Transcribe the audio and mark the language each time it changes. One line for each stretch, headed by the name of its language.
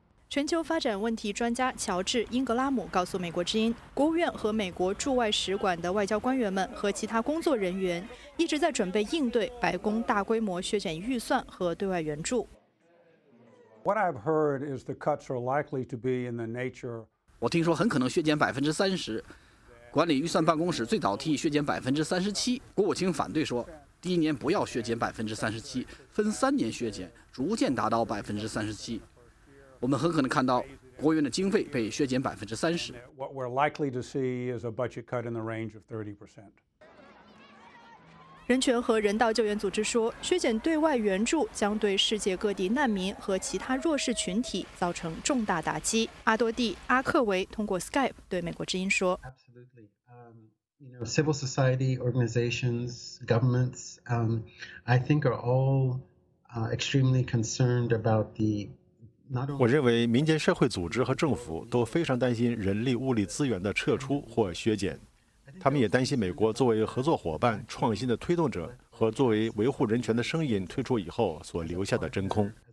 Chinese: 全球发展问题专家乔治·英格拉姆告诉美国之音，国务院和美国驻外使馆的外交官员们和其他工作人员一直在准备应对白宫大规模削减预算和对外援助。
English: What I've heard is the cuts are likely to be in the nature.
Chinese: 我听说很可能削减30%。管理预算办公室最早提议削减37%，国务卿反对说，第一年不要削减37%，分3年削减，逐渐达到37%。我们很可能看到国务院的经费被削减30%。
English: What we're likely to see is a budget cut in the range of 30%.
Chinese: 人权和人道救援组织说，削减对外援助将对世界各地难民和其他弱势群体造成重大打击。阿多蒂·阿克维通过 Skype 对美国之音说
English: ：“Absolutely. Civil society organizations, governments, I think are all extremely concerned about the.”
Chinese: 我认为民间社会组织和政府都非常担心人力物力资源的撤出或削减，他们也担心美国作为合作伙伴、创新的推动者和作为维护人权的声音退出以后所留下的真空。